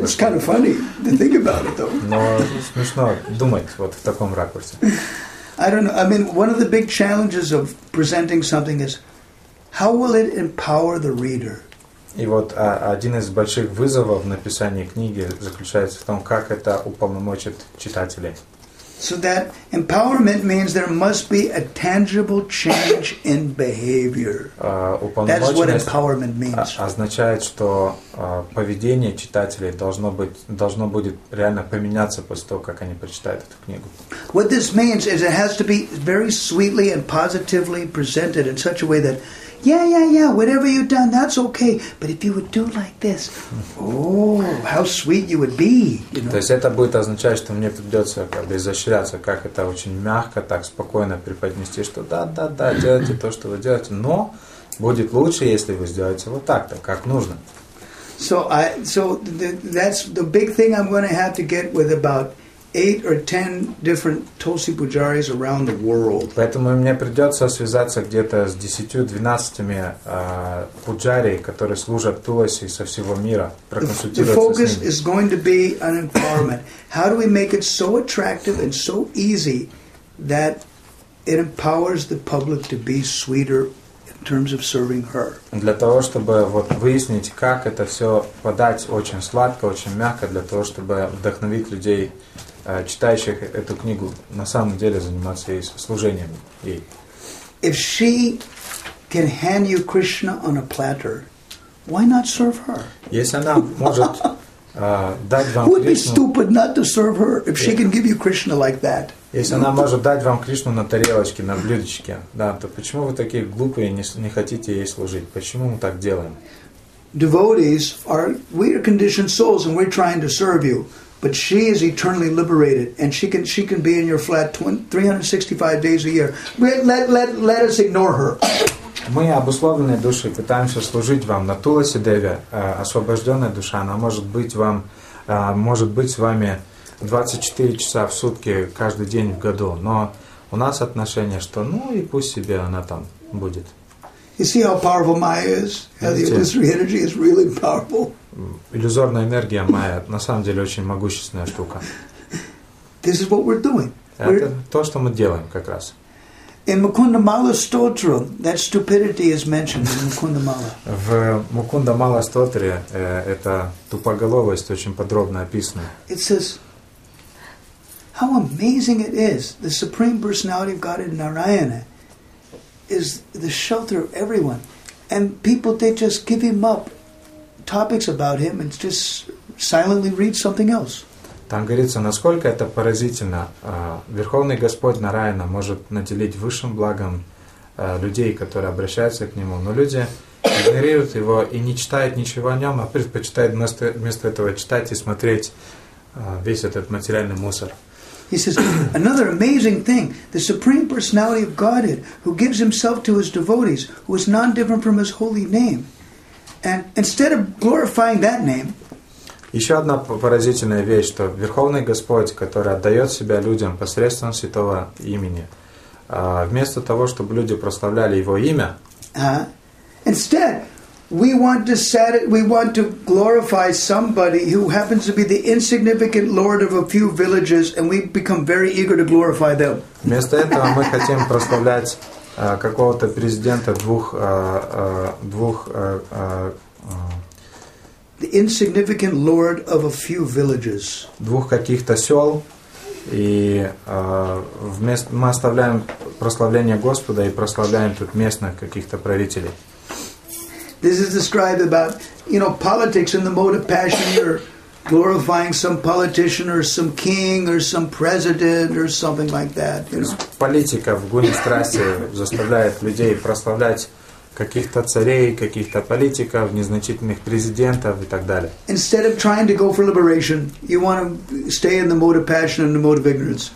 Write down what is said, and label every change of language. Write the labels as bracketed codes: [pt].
[en] But it's kind of funny to think about it, though. [ru] Но смешно думать вот в таком ракурсе. [en] I don't know, I mean, one of the big challenges of presenting something is, how will it empower the reader? [ru] И вот один из больших вызовов написания книги заключается в том, как это уполномочит читателей. [en] So that empowerment means there must be a tangible change in behavior. That's what empowerment means. [ru] Означает, что поведение читателей должно будет реально поменяться после того, как они прочитают эту книгу. [en] What this means is it has to be very sweetly and positively presented in such a way that, yeah, whatever you've done, that's okay. But if you would do like this, oh, how sweet you would be. You know? [ru] То есть это будет означать, что мне придется как бы изощряться, как это очень мягко, так спокойно преподнести, что да, делайте то, что вы делаете, но будет лучше, если вы сделаете вот так-то, как нужно. [en] So that's the big thing I'm going to have to get with about 8 or 10 different Tulsi Pujaris around the world. [ru] Поэтому мне придется связаться где-то с 10-12 пуджари, которые служат Туласи со всего мира, проконсультироваться с ними. [en] The focus is going to be on empowerment. How do we make it so attractive and so easy that it empowers the public to be sweeter in terms of serving her? [ru] Для того, чтобы вот выяснить, как это все подать очень сладко, очень мягко, для того, чтобы вдохновить людей, читающих эту книгу, на самом деле заниматься ей, служением ей. [en] If she can hand you Krishna on a platter, why not serve her? [ru] Если она может дать вам [en] Krishna, would be stupid not to serve her if she can give you Krishna like that. [ru] Если она может дать вам Кришну на тарелочке, на блюдечке, да, то почему вы такие глупые и не хотите ей служить? Почему мы так делаем? [en] Devotees are we are conditioned souls and we're trying to serve you. But she is eternally liberated, and she can be in your flat 365 days a year. Let us ignore her. [ru] Мы обусловленные души пытаемся служить вам на Туласи Деве. Освобожденная душа, она может быть вам, может быть с вами 24 часа в сутки каждый день в году. Но у нас отношение, что ну и пусть себе она там будет. [en] You see how powerful Maya is? How the illusory energy is really powerful. [ru] Иллюзорная энергия Майя на самом деле очень могущественная штука. [en] This is what we're doing. [ru] Это то, что мы делаем как раз. [en] In Mukunda Mala Stotra, that stupidity is mentioned in Mukunda Mala. [ru] В Mukunda Mala Stotra эта тупоголовость очень подробно описана. [en] It says, how amazing it is, the Supreme Personality of Godhead Narayana is the shelter of everyone. And people, they just give him up. Topics about him and just silently read something else. [ru] Там говорится, насколько это поразительно. Верховный Господь Нараяна может наделить высшим благом людей, которые обращаются к нему, но люди игнорируют его и не читают ничего о нем, а предпочитают вместо этого читать и смотреть весь этот материальный мусор. [en] He says, another amazing thing, the Supreme Personality of Godhead, who gives himself to his devotees, who is non-different from his holy name. And instead of glorifying that name, [ru] еще одна поразительная вещь, что Верховный Господь, который отдает себя людям посредством святого имени, вместо того, чтобы люди прославляли его имя, [en] instead we want to glorify somebody who happens to be the insignificant lord of a few villages, and we become very eager to glorify them. [ru] Вместо этого мы хотим прославлять какого-то президента двух [en] the insignificant lord of a few villages. [ru] Двух каких-то сел, и вместо мы оставляем прославление Господа и прославляем тут местных каких-то правителей. [en] This is described about, you know, politics in the mode of passion. You're glorifying some politician or some king or some president or something like that. [ru] Политика в гуне страсти заставляет людей прославлять каких-то царей, каких-то политиков, незначительных президентов и так далее. [en] Instead of trying to go for liberation, you want to stay in the mode of passion and the mode of ignorance.